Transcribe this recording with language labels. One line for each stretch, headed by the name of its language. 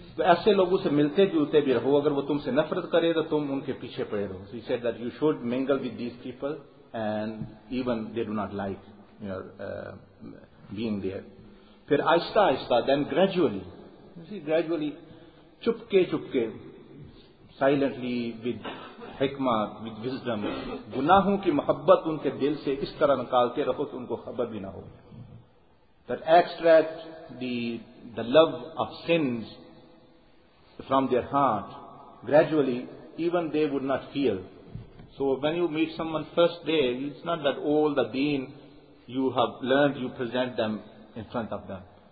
Urdu: ایسے لوگوں سے ملتے جلتے بھی رہو, اگر وہ تم سے نفرت کرے تو تم ان کے پیچھے پڑے رہو.
English: He said that you should mingle with these people and even they do not like your being there.
Urdu: پھر آہستہ آہستہ,
English: then gradually, you see, gradually,
Urdu: چپکے چپکے,
English: silently, with
Urdu: حکمہ,
English: with wisdom,
Urdu: گناہوں کی محبت ان کے دل سے اس طرح نکالتے رہو کہ ان کو خبر بھی نہ ہو.
English: That extract the love of sins from their heart, gradually, even they would not feel. So when you meet someone first day, it's not that all the deen you have learned, you present them in front of them.